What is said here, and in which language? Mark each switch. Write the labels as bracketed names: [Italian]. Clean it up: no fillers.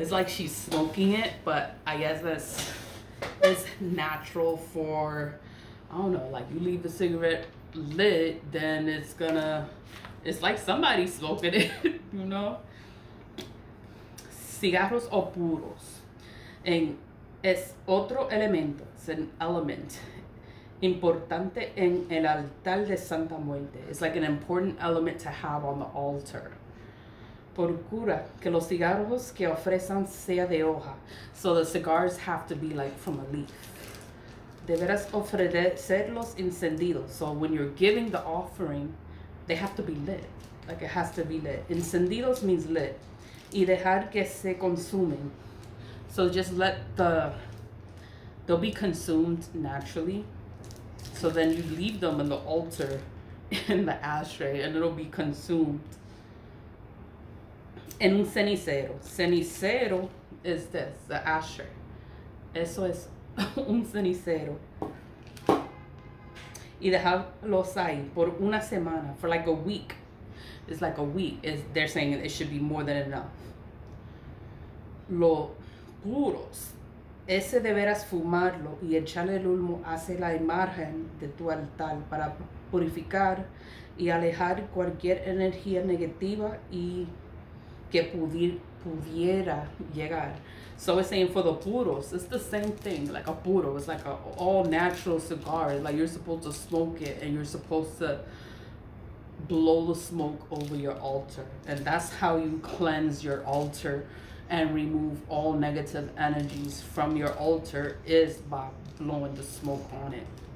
[English] It's like she's smoking it, but I guess that's it's natural for, I don't know, like you leave the cigarette lit, then it's like somebody smoking it, you know? [Spanish] Cigarros o puros. And es otro elemento, [English] it's an element, [Spanish] importante en el altar de Santa Muerte. [English] It's like an important element to have on the altar. [Spanish] Procura que los cigarros que ofrezcan sea de hoja. [English] So the cigars have to be like from a leaf. [Spanish] Deberás ofrecerlos encendidos. [English] So when you're giving the offering, they have to be lit. Like it has to be lit. Encendidos means lit. [Spanish] Y dejar que se consumen. [English] So just let they'll be consumed naturally. So then you leave them in the altar, in the ashtray, and it'll be consumed. [Spanish] En un cenicero. [English] Cenicero is this, the ashtray. [Spanish] Eso es un cenicero. Y dejarlos ahí por una semana, [English] for like a week. It's like a week. They're saying it should be more than enough. [Spanish] Lo puros. Ese deberás fumarlo y echarle el humo hacia la imagen de tu altar para purificar y alejar cualquier energía negativa y que pudiera llegar. [English] So it's saying for the puros, it's the same thing, like a puro, it's like a all natural cigar, like you're supposed to smoke it and you're supposed to blow the smoke over your altar. And that's how you cleanse your altar and remove all negative energies from your altar is by blowing the smoke on it.